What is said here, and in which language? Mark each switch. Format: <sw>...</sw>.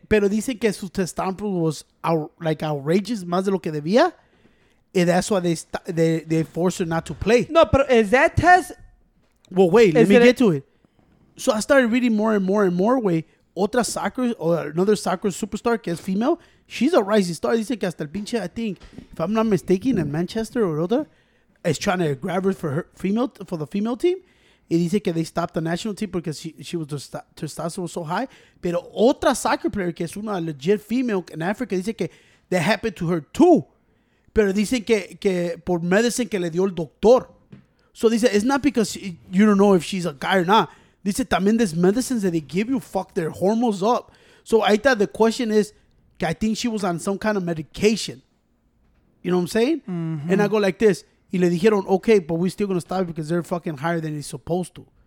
<es>Pero dicen que su</es> <en>testosterone was outrageous,</en> <es>más de lo que debía.</es> <en>And that's why they forced her not to play. No, pero is that test? Well, wait, let me get to it. So I started reading more and more and more. Way otra soccer or another soccer superstar, que es female, she's a rising star.</en> <es>Dice que hasta el pinche,</es> <en>I think, if I'm not mistaken, in Manchester or other, is trying to grab her for the female team.</en> <es>Y dice que</es> <en>they stopped the national team because she was testosterone was so high.</en> <es>Pero otra</es> <en>soccer player</en> <es>que es una</es> <en>legit female in Africa</en> <es>dice que</es> <en>that happened to her too.</en> <es>Pero dice que por medicine que le dio el doctor. So dice,</es> <en>it's not because you don't know if she's a guy or not.</en> <es>Dice, también</es> <en>these medicines that they give you fuck their hormones up. So I thought the question is, que I think she was on some kind of medication. You know what I'm saying? Mm-hmm. And I go like this.</en> <es>Y le dijeron,</es> <en>okay, but we're still going to stop it because they're fucking higher than he's supposed to.</en>